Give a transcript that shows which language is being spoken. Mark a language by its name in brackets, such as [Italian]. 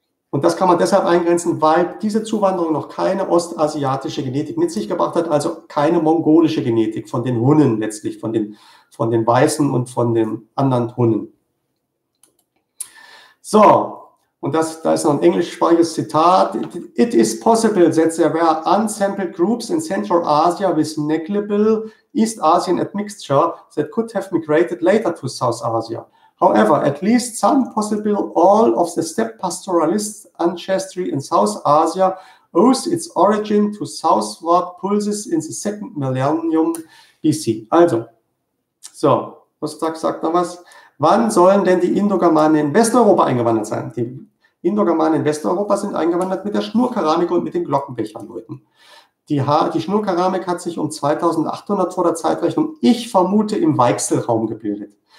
[German] Und das kann man deshalb eingrenzen, weil diese Zuwanderung noch keine ostasiatische Genetik mit sich gebracht hat, also keine mongolische Genetik von den Hunnen letztlich, von den Weißen und von den anderen Hunnen. So, und da ist noch ein englischsprachiges Zitat. [English] It is possible that there were unsampled groups in Central Asia with negligible East Asian admixture that could have migrated later to South Asia. However, at least some possible all of the steppe pastoralist ancestry in South Asia owes its origin to southward pulses in the second millennium BC. [German] Also, so, Ostak sagt noch was. Wann sollen denn die Indogermanen in Westeuropa eingewandert sein? Die Indogermanen in Westeuropa sind eingewandert mit der Schnurkeramik und mit den Glockenbecherleuten. Die Schnurkeramik hat sich um 2800 vor der Zeitrechnung, ich vermute, im Weichselraum gebildet.